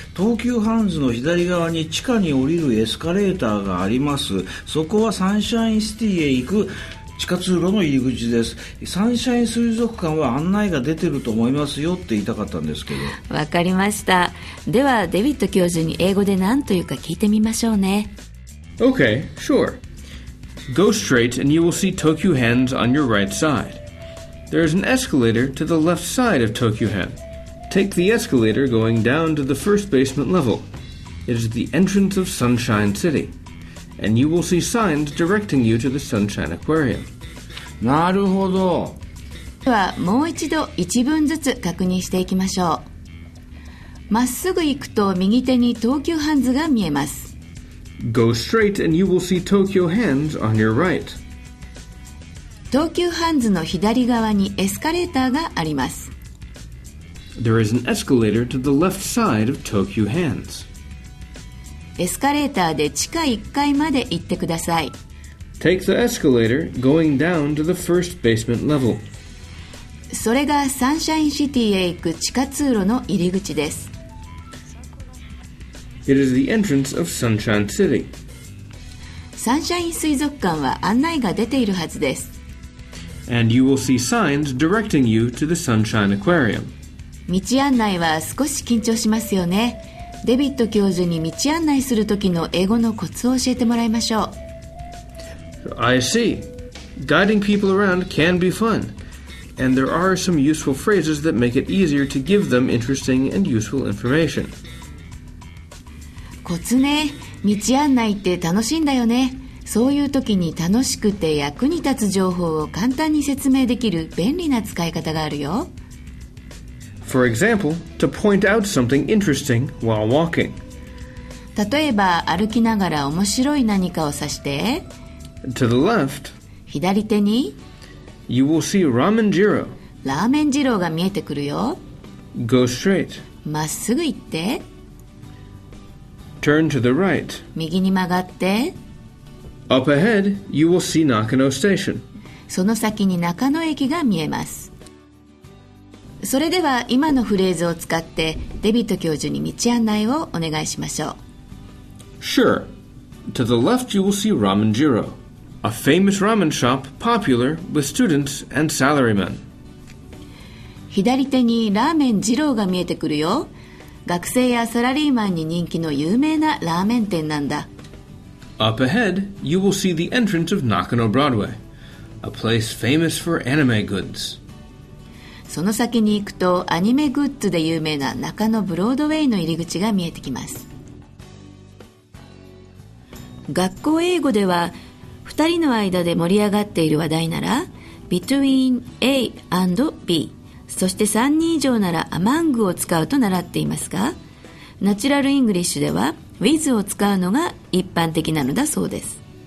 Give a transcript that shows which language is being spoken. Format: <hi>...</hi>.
<ja>東急ハンズの左側に地下に降りるエスカレーターがあります。そこはサンシャインシティへ行く地下通路の入り口です。サンシャイン水族館は案内が出てると思いますよって言いたかったんですけど。わかりました。ではデビッド教授に英語で何というか聞いてみましょうね。</ja> <en>OK, sure. Go straight and you will see Tokyu Hands on your right side. There is an escalator to the left side of Tokyu Han. Take the escalator going down to the first basement level. It is the entrance of Sunshine City. And you will see signs directing you to the Sunshine Aquarium.</en> <ja>なるほど。ではもう一度一文ずつ確認していきましょう。まっすぐ行くと右手に東急ハンズが見えます。</ja> <en>Go straight and you will see Tokyo Hands on your right.</en> <ja>東急ハンズの左側にエスカレーターがあります。</ja> <en>There is an escalator to the left side of Tokyo Hands.</en> <ja>エスカレーターで地下1階まで行ってください。</ja> <en>Take the escalator going down to the first basement level.</en> <ja>それがサンシャインシティへ行く地下通路の入り口です。</ja> <en>It is the entrance of Sunshine City.</en> <ja>サンシャイン水族館は案内が出ているはずです。</ja> <en>And you will see signs directing you to the Sunshine Aquarium.</en> <ja>道案内は少し緊張しますよね。デビッド教授に道案内するときの英語のコツを教えてもらいましょう。</ja> <en>I see. Guiding people around can be fun. And there are some useful phrases that make it easier to give them interesting and useful information.</en> <ja>コツね。道案内って楽しいんだよね。そういうときに楽しくて役に立つ情報を簡単に説明できる便利な使い方があるよ。</ja> <en>For example, to point out something interesting while walking.</en> <ja>例えば歩きながら面白い何かを指して。</ja> <en>To the left.</en> <ja>左手に。</ja> <en>You will see ramen jiro.</en> <ja>ラーメン二郎が見えてくるよ。</ja> <en>Go straight.</en> <ja>まっすぐ行って。</ja> <en>Turn to the right.</en> <ja>右に曲がって。</ja> <en>Up ahead, you will see Nakano Station.</en> <ja>その先に中野駅が見えます。それでは今のフレーズを使ってデビット教授に道案内をお願いしましょう。</ja> <en>Sure. To the left you will see Ramen Jiro, a famous ramen shop popular with students and salarymen.</en> <ja>左手にラーメン二郎が見えてくるよ。学生やサラリーマンに人気の有名なラーメン店なんだ。</ja> <en>Up ahead, you will see the entrance of Nakano Broadway, a place famous for anime goods.</en> <ja>その先に行くと、アニメグッズで有名な中野ブロードウェイの入り口が見えてきます。学校英語では、2人の間で盛り上がっている話題なら、</ja> <en>between A and B、</en> <ja>そして3人以上なら among を使うと習っていますが、ナチュラルイングリッシュでは、with を使うのが一般的なのだそうです。</ja>